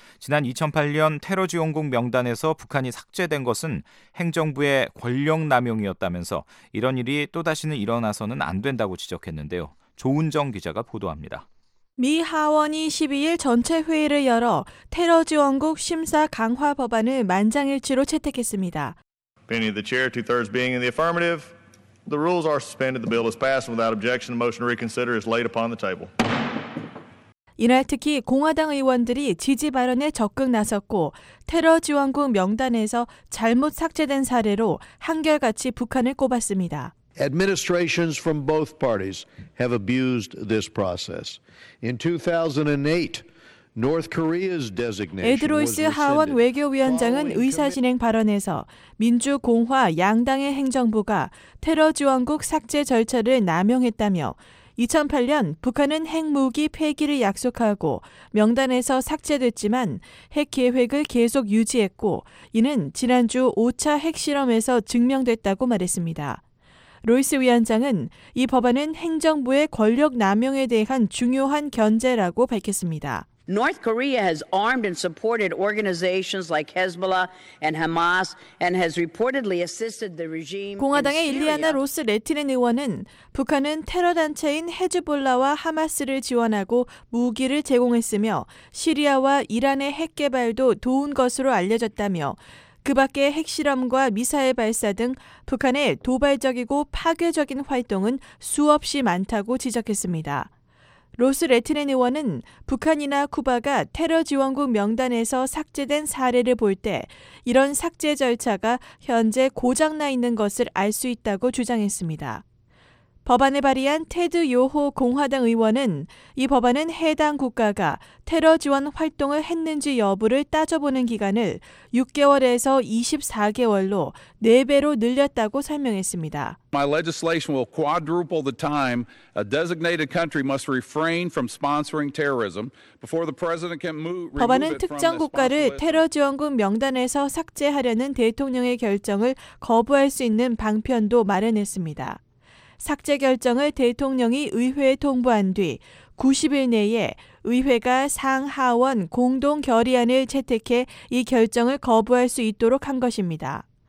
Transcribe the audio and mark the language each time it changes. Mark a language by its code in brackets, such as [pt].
[ko] 지난 2008년 테러 지원국 명단에서 북한이 삭제된 것은 행정부의 권력 남용이었다면서 이런 일이 또다시는 일어나서는 안 된다고 지적했는데요. 조은정 기자가 보도합니다. 미 하원이 12일 전체 회의를 열어 테러 지원국 심사 강화 법안을 만장일치로 채택했습니다. [en] Being the chair, two-thirds being in the affirmative. The rules are suspended. The bill is passed without objection. The motion to reconsider is laid upon the table. [ko] 이날 특히 공화당 의원들이 지지 발언에 적극 나섰고 테러 지원국 명단에서 잘못 삭제된 사례로 한결같이 북한을 꼽았습니다. [en] Administrations from both parties have abused this process. In 2008, North Korea's designation. [ko] 에드로이스 하원 외교위원장은 의사진행 발언에서 민주공화 양당의 행정부가 테러 지원국 삭제 절차를 남용했다며 2008년 북한은 핵무기 폐기를 약속하고 명단에서 삭제됐지만 핵 계획을 계속 유지했고 이는 지난주 5차 핵실험에서 증명됐다고 말했습니다. 로이스 위원장은 이 법안은 행정부의 권력 남용에 대한 중요한 견제라고 밝혔습니다. [en] North Korea has armed and supported organizations like Hezbollah and Hamas and has reportedly assisted the regime. [ko] 공화당의 일리아나 로스 레티넨 의원은 북한은 테러 단체인 헤즈볼라와 하마스를 지원하고 무기를 제공했으며 시리아와 이란의 핵 개발도 도운 것으로 알려졌다며 그 밖에 핵실험과 미사일 발사 등 북한의 도발적이고 파괴적인 활동은 수없이 많다고 지적했습니다. 로스 레티넨 의원은 북한이나 쿠바가 테러 지원국 명단에서 삭제된 사례를 볼 때 이런 삭제 절차가 현재 고장나 있는 것을 알 수 있다고 주장했습니다. 법안을 발의한 테드 요호 공화당 의원은 이 법안은 해당 국가가 테러 지원 활동을 했는지 여부를 따져보는 기간을 6개월에서 24개월로 4배로 늘렸다고 설명했습니다. [en] My legislation will quadruple the time a designated country must refrain from sponsoring terrorism before the president can remove it from the list. [ko] 법안은 특정 국가를 테러 지원국 명단에서 삭제하려는 대통령의 결정을 거부할 수 있는 방편도 마련했습니다. 삭제 결정을 대통령이 의회에 통보한 뒤 90일 내에 의회가 상하원 공동 결의안을 채택해 이 결정을 거부할 수 있도록 한 것입니다.